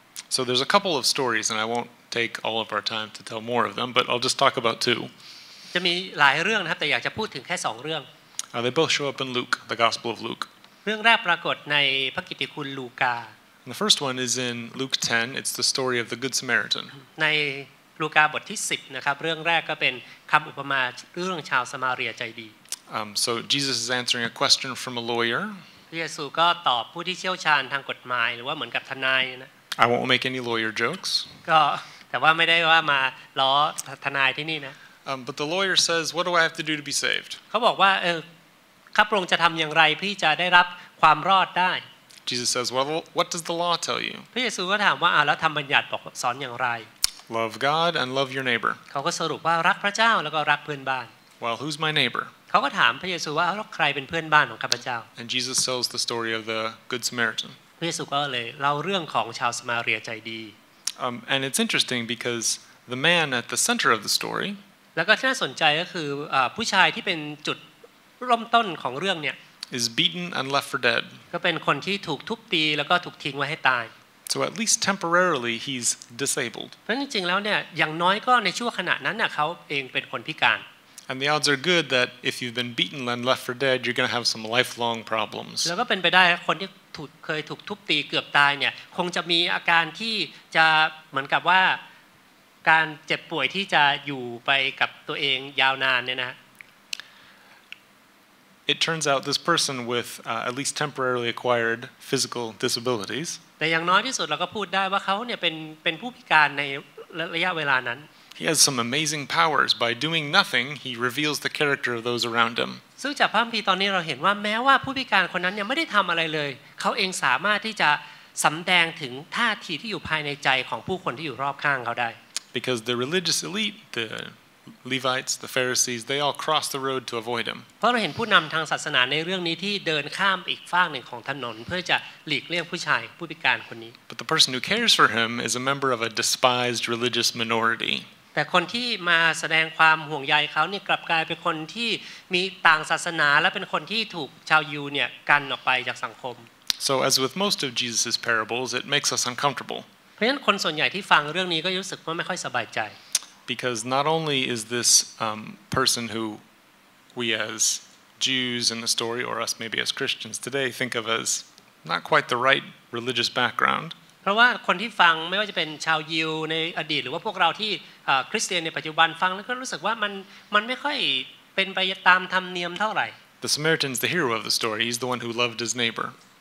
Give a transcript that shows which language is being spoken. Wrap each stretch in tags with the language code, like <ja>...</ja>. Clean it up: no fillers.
<en>ๆ So there's a couple of stories and I won't take all of our time to tell more of them but I'll just talk about two.</en> <th>จะมีหลายเรื่องนะครับแต่อยากจะพูดถึงแค่2เรื่อง</th> <en>They both show up in Luke, the Gospel of Luke.</en> <th>เรื่องแรกปรากฏในพระกิตติคุณลูกา</th> <en>The first one is in Luke 10. It's the story of the Good Samaritan.</en> <th>ในลูกาบทที่10นะครับเรื่องแรกก็เป็นคําอุปมาเรื่องชาวสมาเรียใจดี</th> <en>So Jesus is answering a question from a lawyer.</en> <th>พระเยซูก็ตอบผู้ที่เชี่ยวชาญทางกฎหมายหรือว่าเหมือนกับทนายนะ</th> <en>I won't make any lawyer jokes.</en> <th>ก็แต่ว่าไม่ได้ว่ามาล้อทนายที่นี่นะ</th> <en>But the lawyer says, "What do I have to do to be saved?"</en> <th>เขาบอกว่าข้าพระองค์จะทำอย่างไรที่จะได้รับความรอดได้</th> <en>Jesus says, "Well, what does the law tell you?"</en> <th>พระเยซูก็ถามว่าแล้วธรรมบัญญัติบอกสอนอย่างไร</th> <en>Love God and love your neighbor.</en> <th>เขาก็สรุปว่ารักพระเจ้าแล้วก็รักเพื่อนบ้าน</th> <en>Well, who's my neighbor?</en> <th>เขาก็ถามพระเยซูว่าแล้วใครเป็นเพื่อนบ้านของข้าพระเจ้า</th> <en>And Jesus tells the story of the Good Samaritan.</en> <th>พระเยซูก็เลยเล่าเรื่องของชาวสมาเรียใจดี</th> <en>And it's interesting because the man at the center of the story.</en> <th>แล้วก็ที่น่าสนใจก็คือผู้ชายที่เป็นจุดร่มต้นของเรื่องเนี่ย</th> <en>is beaten and left for dead</en> <th>ก็เป็นคนที่ถูกทุบตีแล้วก็ถูกทิ้งไว้ให้ตาย</th> <en>so at least temporarily he's disabled</en> <th>เพราะจริงๆแล้วเนี่ยอย่างน้อยก็ในช่วงขณะนั้นน่ะเขาเองเป็นคนพิการ</th> <en>and the odds are good that if you've been beaten and left for dead you're going to have some lifelong problems</en> <th>แล้วก็เป็นไปได้คนที่เคยถูกทุบตีเกือบตายเนี่ยคงจะมีอาการที่จะเหมือนกับว่าการเจ็บป่วยที่จะอยู่ไปกับตัวเองยาวนานเนี่ยนะ</th> <en>It turns out this person with at least temporarily acquired physical disabilities</en> <th>แต่อย่างน้อยที่สุดเราก็พูดได้ว่าเขาเนี่ยเป็นผู้พิการในระยะเวลานั้น</th> <en>He has some amazing powers by doing nothing he reveals the character of those around him</en> <th>ซึ่งจากพระคัมภีร์ตอนนี้เราเห็นว่าแม้ว่าผู้พิการคนนั้นเนี่ยไม่ได้ทําอะไรเลยเขาเองสามารถที่จะสําแดงถึงท่าทีที่อยู่ภายในใจของผู้คนที่อยู่รอบข้างเขาได้</th> <en>Because the religious elite, the Levites, the Pharisees, they all cross the road to avoid him.</en> <th>เพราะเราเห็นผู้นำทางศาสนาในเรื่องนี้ที่เดินข้ามอีกฝั่งหนึ่งของถนนเพื่อจะหลีกเลี่ยงผู้ชายผู้พิการคนนี้</th> <en>But the person who cares for him is a member of a despised religious minority.</en> <th>แต่คนที่มาแสดงความห่วงใยเขาเนี่ยกลับกลายเป็นคนที่มีต่างศาสนาและเป็นคนที่ถูกชาวยิวเนี่ยกันออกไปจากสังคม</th> <en>So as with most of Jesus's parables, it makes us uncomfortable.</en> <th>เพราะฉะนั้นคนส่วนใหญ่ที่ฟังเรื่องนี้ก็รู้สึกว่าไม่ค่อยสบายใจ</th> <en>Because not only is this person who we as Jews in the story or us maybe as Christians today think of as not quite the right religious background</en> <th>เพราะว่าคนที่ฟังไม่ว่าจะเป็นชาวยิวในอดีตหรือว่าพวกเราที่คริสเตียนในปัจจุบันฟังแล้วก็รู้สึกว่ามันไม่ค่อยเป็นไปตามธรรมเนียมเท่าไหร่</th> <en>The Samaritan is the hero of the story he's the one who loved his neighbor</en>